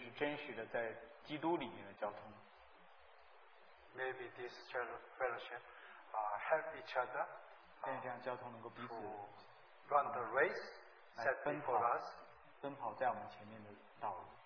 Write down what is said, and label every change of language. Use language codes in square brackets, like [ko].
[zh] 我想这就是真实的在基督里面的交通。 [en] Maybe this fellowship help each other to run the race set before us. [zh] 奔跑在我们前面的道路。